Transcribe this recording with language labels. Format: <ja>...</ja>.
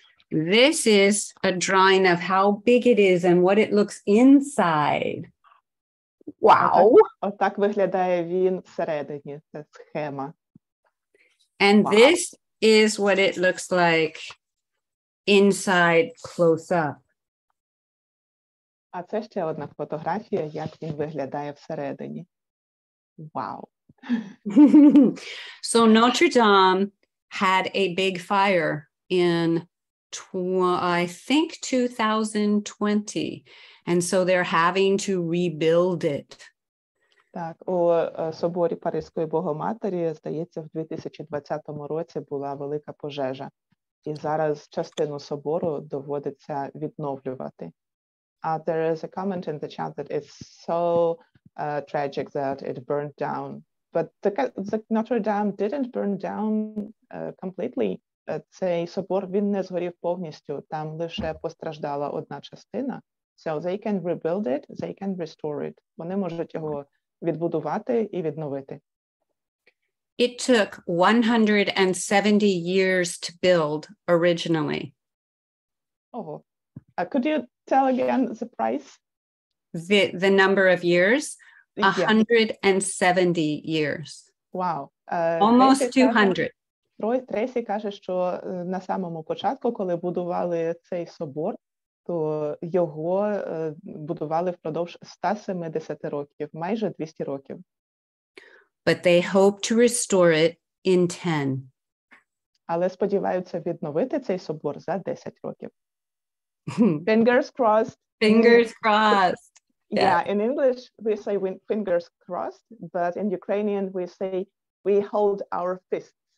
<en>This is a drawing of how big it is and what it looks inside. Wow!</en> <uk>Отак виглядає він всередині, це схема.</uk> <en>And this is what it looks like inside close up.</en> <uk>А це ще одна фотографія, як він виглядає всередині. Wow.</uk> <en>So Notre Dame had a big fire in, I think, 2020. And so they're having to rebuild it.</en> <uk>Так, у соборі Паризької Богоматері, здається, в 2020 році була велика пожежа. І зараз частину собору доводиться відновлювати.</uk> <en>There is a comment in the chat that it's so tragic that it burned down. But the Notre Dame didn't burn down completely.</en> <uk>Цей собор, він не згорів повністю. Там лише постраждала одна частина.</uk> <en>So they can rebuild it, they can restore it.</en> <uk>Вони можуть його... відбудувати і відновити.</uk> <en>It took 170 years to build originally.</en> <uk>Ого.</uk> <en>Could you tell again the price? The number of years? 170 years. Wow. Almost 200.</en> <uk>Тресі каже, що на самому початку, коли будували цей собор, то його будували впродовж 170 років, майже 200 років.</uk> <en>But they hope to restore it in 10.</en> <uk>Але сподіваються відновити цей собор за 10 років.</uk> <en>Fingers crossed. Fingers crossed. Yeah, in English we say fingers crossed, but in Ukrainian we say we hold our fists.</en>